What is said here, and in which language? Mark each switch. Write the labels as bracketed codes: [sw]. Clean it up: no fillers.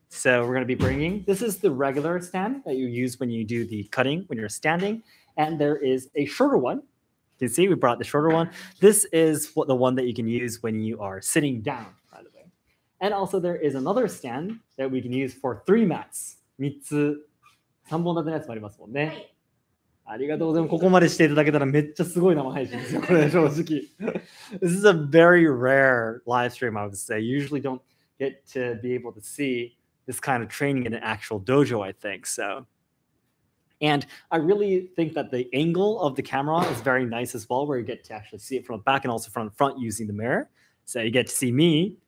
[en] So we're going to be bringing, this is the regular stand that you use when you do the cutting, when you're standing, and there is a shorter one. You can see we brought the shorter one. This is what the one that you can use when you are sitting down. And also there is another stand that we can use for three mats. [ja] 3つ、3本立てのやつもありますもんね。はい。ありがとうございます。ここまでしていただけたらめっちゃすごい生配信ですよ、これ正直。 [en] This is a very rare live stream, I would say. Usually don't get to be able to see this kind of training in an actual dojo, I think. So, and I really think that the angle of the camera is very nice as well, where you get to actually see it from the back and also from the front using the mirror. So you get to see me